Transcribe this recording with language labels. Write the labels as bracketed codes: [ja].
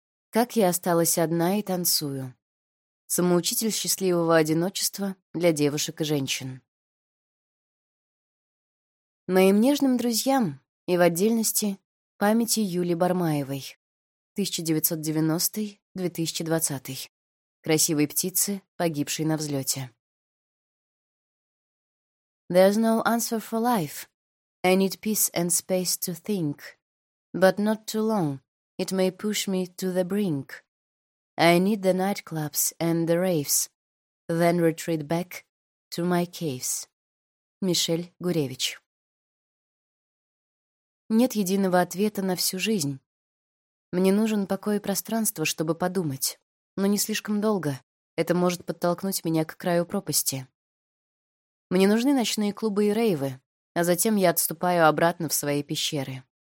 [ru] «Как я осталась одна и танцую». Самоучитель счастливого одиночества для девушек и женщин. Моим нежным друзьям и в отдельности памяти Юли Бармаевой. 1990-2020. Красивой птицы, погибшей на взлете. [en] There's no answer for life. I need peace and space to think. But not too long, it may push me to the brink. I need the nightclubs and the raves, then retreat back to my caves. [ru] Мишель Гуревич. Нет единого ответа на всю жизнь. Мне нужен покой и пространство, чтобы подумать. Но не слишком долго. Это может подтолкнуть меня к краю пропасти. Мне нужны ночные клубы и рейвы, а затем я отступаю обратно в свои пещеры.